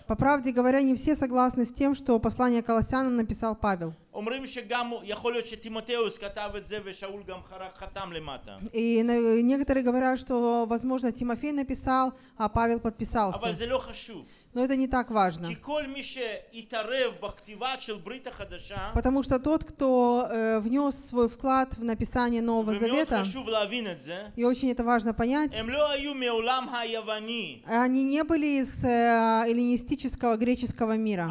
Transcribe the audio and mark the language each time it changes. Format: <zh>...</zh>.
<ru>По правде говоря, не все согласны с тем, что послание к Колоссянам написал Павел.</ru> <he>אומרים שגם יכול להיות שטימותאוס כתב את זה ושאול גם חתם למטה.</he> <ru>И некоторые говорят, что возможно Тимофей написал, а Павел подписался.</ru> <he>אבל זה לא חשוב.</he> <ru>Но это не так важно.</ru> <he>כי כל מי שיתערב בכתיבה של ברית החדשה.</he> <ru>Потому что тот, кто внес свой вклад в написание Нового Завета.</ru> <he>ומאוד חשוב להבין את זה.</he> <ru>И очень это важно понять.</ru> <he>הם לא היו מעולם היווני.</he> <ru>Они не были из эллинистического греческого мира.</ru>